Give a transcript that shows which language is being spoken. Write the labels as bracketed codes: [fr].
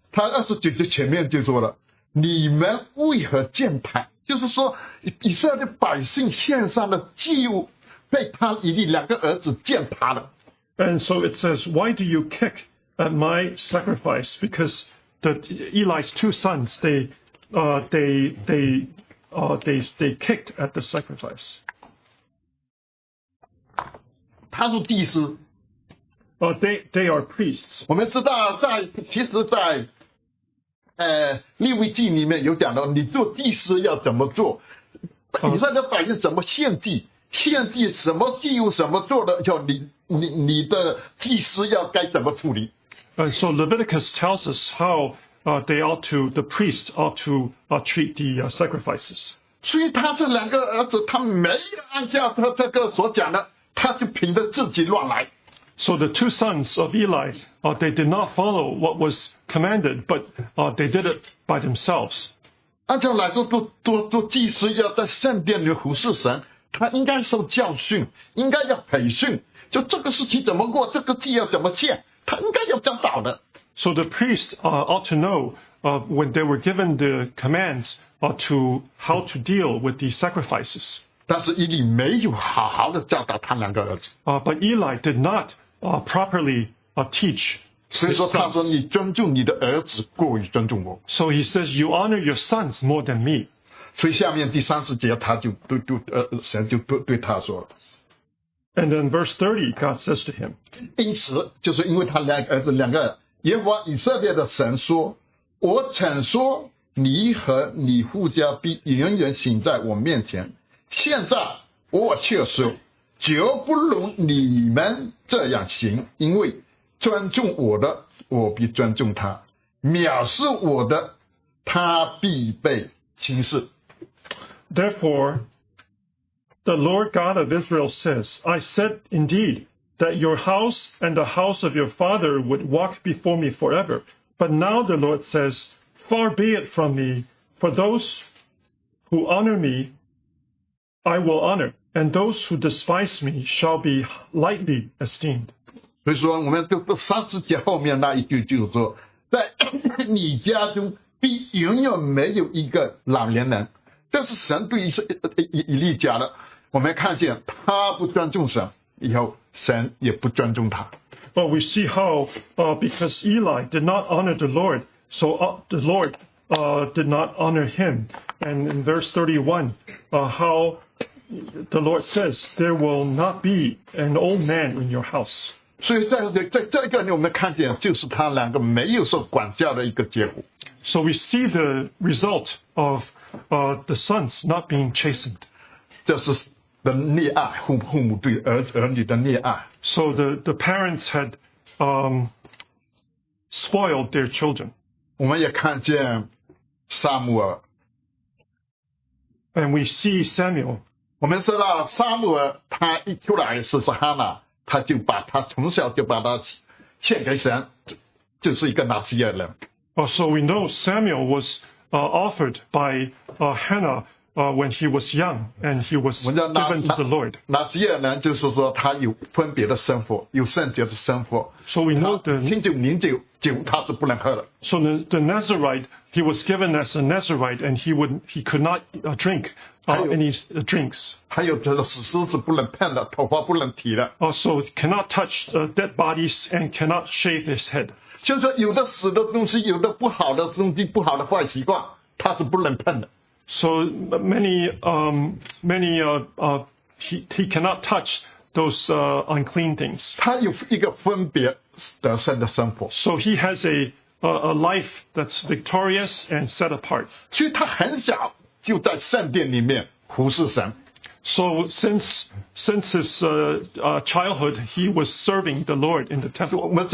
[zh] 他二十九节前面就说了，你们为何建坛？就是说，以色列百姓献上的祭物被他以利两个儿子践踏了。 [en] And so it says, why do you kick at my sacrifice? Because the Eli's two sons, they kicked at the sacrifice. [zh] 他是祭司。 [en] They are priests. [zh] 我们知道在其实在利未记里面有讲到，你做祭司要怎么做，以色列百姓怎么献祭，献祭什么祭物怎么做的，要你的祭司要该怎么处理。 [en] So Leviticus tells us how the priests ought to treat the sacrifices. [zh] 所以他这两个儿子，他没按下他这个所讲的，他就凭着自己乱来。 [en] So the two sons of Eli, they did not follow what was commanded, but they did it by themselves. [zh] 按照来说，做祭司要在圣殿里服侍神，他应该受教训，应该要培训。就这个事情怎么过，这个祭要怎么献，他应该要教导的。 [en] So the priest ought to know when they were given the commands to how to deal with the sacrifices. [zh] 但是伊利没有好好的教导他两个儿子。 [en] But Eli did not properly teach. [zh] 所以说他说你尊重你的儿子过于尊重我。 [en] So he says you honor your sons more than me. [zh] 所以下面第三十节他就神就对他说了。 [en] And then verse 30, God says to him. [zh] 因此就是因为他两个儿子两个，耶和华以色列的神说，我曾说你和你父家必永远行在我面前。现在我却说，绝不容你们这样行，因为尊重我的，我必尊重他；藐视我的，他必被轻视。 [en] Therefore, the Lord God of Israel says, I said indeed that your house and the house of your father would walk before me forever. But now the Lord says, Far be it from me, for those who honor me. I will honor, and those who despise me shall be lightly esteemed. [zh] 所以说，我们就三十节后面那一句就是说，在你家中必永远没有一个老年人。这是神对以利讲的。我们看见他不尊重神，以后神也不尊重他。 [en] But we see how, because Eli did not honor the Lord, so the Lord, did not honor him. And in verse 31, how the Lord says, there will not be an old man in your house. [zh] 所以在这个里我们看见就是他两个没有受管教的一个结果。 [en] So we see the result of the sons not being chastened. [zh] 这是的溺爱，父母对儿女的溺爱。 [en] So the parents had spoiled their children. [zh] 我们也看见撒母耳。 [en] And we see Samuel. [zh] 我们知道撒母耳他一出来是哈拿，他就把他从小就把他献给神，就是一个拿西耳人。 [en] So we know Samuel was offered by Hannah when he was young and he was given to the Lord. [zh] 拿西耶人就是说他有分别的生活，有圣洁的生活。 [en] So we know the [zh] 他听见名酒，酒他是不能喝的。 [en] So the Nazarite, he was given as a Nazarite and he could not drink any drinks. [zh] 还有这个死尸是不能碰的，头发不能提的。 [en] Also cannot touch dead bodies and cannot shave his head. [zh] 就是说有的死的东西，有的不好的东西，不好的坏习惯，他是不能碰的。 [en] So he cannot touch those unclean things. [zh] 他有一个分别得胜的生活。 [en] So he has a life that's victorious and set apart. [zh] 所以他很小就在圣殿里面服侍神。 [en] So since his childhood, he was serving the Lord in the temple.